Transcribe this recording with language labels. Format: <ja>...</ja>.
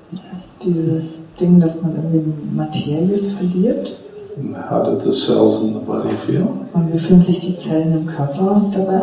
<de>Ist dieses Ding, dass man irgendwie Materie verliert?</de> <en>And how did the cells in the body feel?</en> <de>Und wie fühlen sich die Zellen im Körper dabei?</de>